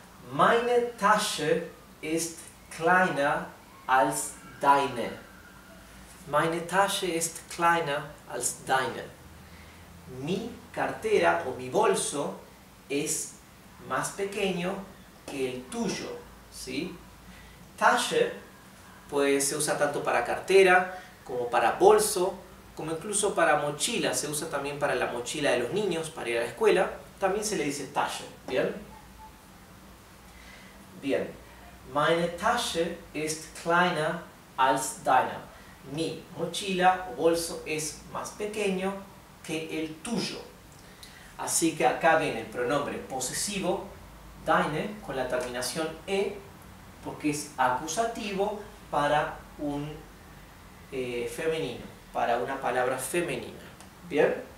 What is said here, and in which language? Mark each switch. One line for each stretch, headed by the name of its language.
German: Meine Tasche ist kleiner als deine. Meine Tasche ist kleiner als deine.
Spanish: Mi cartera o mi bolso es más pequeño que el tuyo, ¿sí? Tasche se usa tanto para cartera, como para bolso, como incluso para mochila. Se usa también para la mochila de los niños, para ir a la escuela. También se le dice Tasche, ¿bien? Bien.
German: Meine Tasche ist kleiner als deine.
Spanish: Mi mochila o bolso es más pequeño que el tuyo. Así que acá viene el pronombre posesivo, deine, con la terminación e, porque es acusativo para un femenino, para una palabra femenina. ¿Bien?